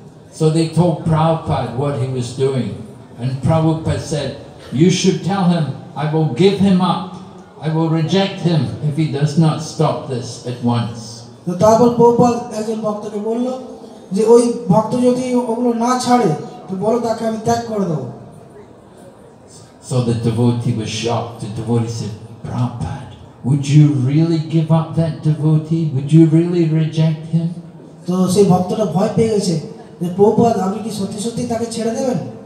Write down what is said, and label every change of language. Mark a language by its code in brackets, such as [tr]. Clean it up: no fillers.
[en] So they told Prabhupada what he was doing. And Prabhupada said, you should tell him, I will give him up. I will reject him if he does not stop this at once. [bn] তো তারপর প্রভুপাদ একজন ভক্তকে বললো যে ওই ভক্ত যদি ওগুলো না ছাড়ে তো বলো তাকে আমি ত্যাগ করে দেবো. [en] So the devotee was shocked. The devotee said, Prabhupada, would you really give up that devotee? Would you really reject him? [bn] তো সেই ভক্তটা ভয় পেয়ে গেছে যে প্রভুপাদ আপনি কি সত্যি সত্যি তাকে ছেড়ে দেবেন?